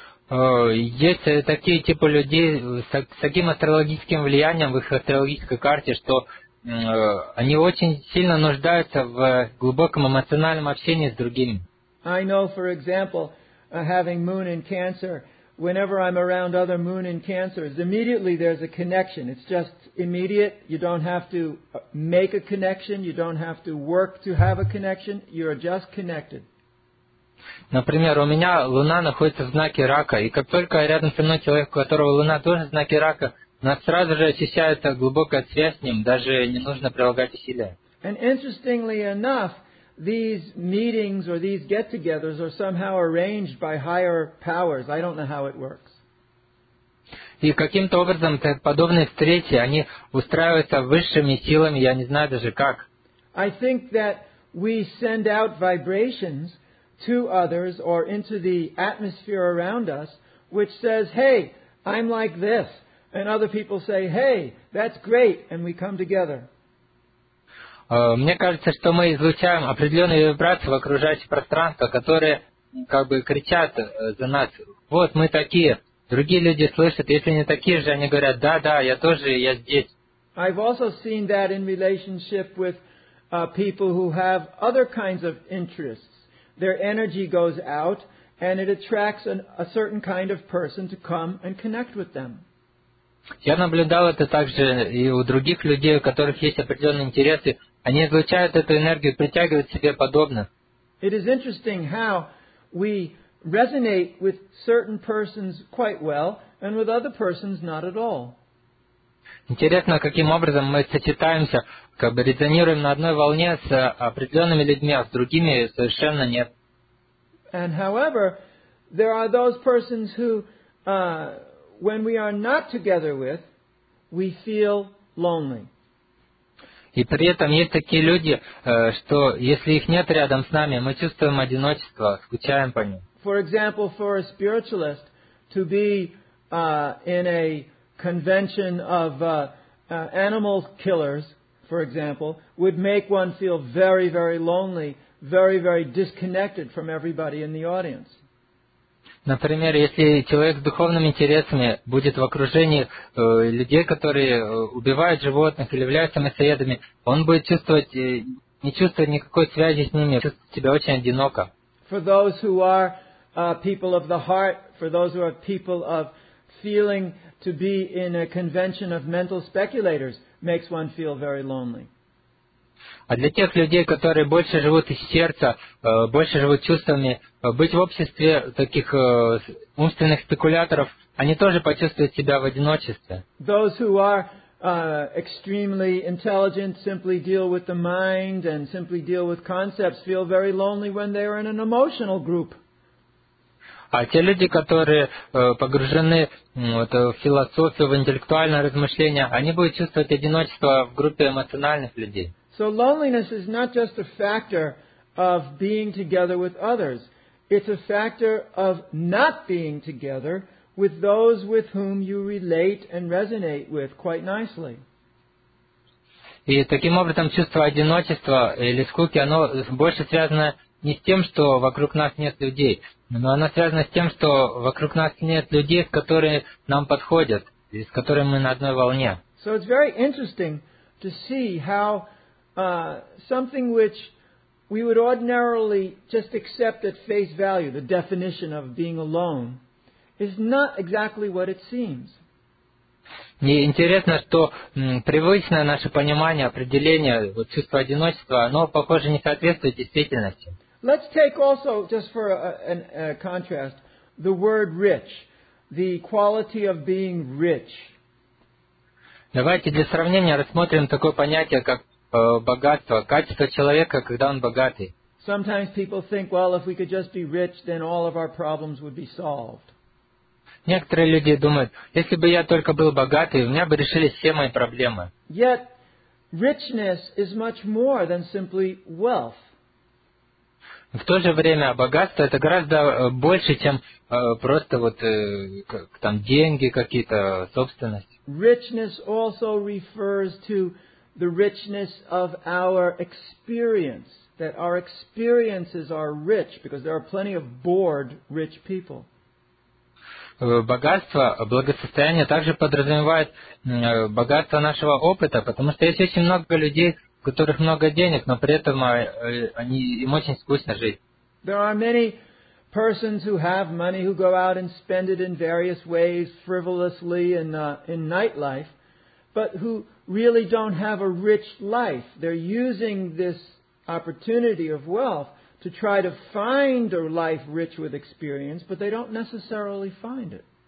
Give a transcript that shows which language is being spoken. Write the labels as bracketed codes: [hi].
[ru] Есть такие типы людей с таким астрологическим влиянием в их астрологической карте, что они очень сильно нуждаются в глубоком эмоциональном общении с другими. [en] I know, for example, having moon in Cancer, whenever I'm around other moon in Cancers, immediately there's a connection. It's just immediate. You don't have to make a connection. You don't have to work to have a connection. You're just connected. [ru] Например, у меня Луна находится в знаке Рака, и как только рядом со мной человек, у которого Луна тоже в знаке Рака, у нас сразу же ощущается глубокая связь с ним, даже не нужно прилагать усилия. [en] And interestingly enough, these meetings or these get-togethers are somehow arranged by higher powers. I don't know how it works. [ru] И каким-то образом подобные встречи, они устраиваются высшими силами, я не знаю даже как. [en] I think that we send out vibrations to others or into the atmosphere around us, which says, hey, I'm like this. And other people say, hey, that's great. And we come together. [ru] Мне кажется, что мы излучаем определенные вибрации в окружающее пространство, которые как бы кричат за нас. Вот мы такие. Другие люди слышат. Если не такие же, они говорят, да, я тоже, я здесь. [en] I've also seen that in relationship with people who have other kinds of interests. Their energy goes out, and it attracts a certain kind of person to come and connect with them. [ru] Я наблюдал это также и у других людей, у которых есть определенные интересы. Они излучают эту энергию, притягивают себе подобных. [en] It is interesting how we resonate with certain persons quite well, and with other persons not at all. [ru] Интересно, каким образом мы сочетаемся, как бы резонируем на одной волне с определенными людьми, а с другими совершенно нет. [en] And however, there are those persons who, when we are not together with, we feel lonely. [ru] И при этом есть такие люди, что если их нет рядом с нами, мы чувствуем одиночество, скучаем по ним. [en] For example, for a spiritualist to be in a convention of animal killers, for example, would make one feel very, very lonely, very, very disconnected from everybody in the audience. [ru] Например, если человек с духовными интересами будет в окружении людей, которые убивают животных или являются мясоедами, он будет не чувствовать никакой связи с ними, чувствовать себя очень одиноко. [en] For those who are people of the heart, for those who are people of feeling to be in a convention of mental speculators makes one feel very lonely. [ru] А для тех людей, которые больше живут из сердца, больше живут чувствами, быть в обществе таких умственных спекуляторов, они тоже почувствуют себя в одиночестве. [en] Those who are extremely intelligent, simply deal with the mind and simply deal with concepts, feel very lonely when they are in an emotional group. [ru] А те люди, которые погружены в философию, в интеллектуальное размышление, они будут чувствовать одиночество в группе эмоциональных людей. [en] So loneliness is not just a factor of being together with others. It's a factor of not being together with those with whom you relate and resonate with quite nicely. [ru] И таким образом чувство одиночества или скуки, оно больше связано не с тем, что вокруг нас нет людей, но оно связано с тем, что вокруг нас нет людей, с которыми нам подходят, и с которыми мы на одной волне. [en] So it's very interesting to see how something which we would ordinarily just accept at face value, the definition of being alone, is not exactly what it seems. [ru] И интересно, что привычное наше понимание, определение вот, чувства одиночества, оно, похоже, не соответствует действительности. [en] Let's take also, just for a contrast, the word rich, the quality of being rich. [ru] Давайте для сравнения рассмотрим такое понятие, как богатство, качество человека, когда он богатый. [en] Sometimes people think, well, if we could just be rich, then all of our problems would be solved. [ru] Некоторые люди думают, если бы я только был богатый, у меня бы решились все мои проблемы. [en] Yet, richness is much more than simply wealth. [ru] В то же время богатство это гораздо больше, чем просто вот там деньги какие-то, собственность. [en] Richness also refers to the richness of our experience, that our experiences are rich, because there are plenty of bored rich people. [ru] Богатство, благосостояние также подразумевает богатство нашего опыта, потому что есть очень много людей, у которых много денег, но при этом им очень скучно жить. [en] There are many persons who have money who go out and spend it in various ways, frivolously in nightlife, but who really don't have a rich life. They're using this opportunity of wealth to try to find a life rich with experience, but they don't necessarily find it.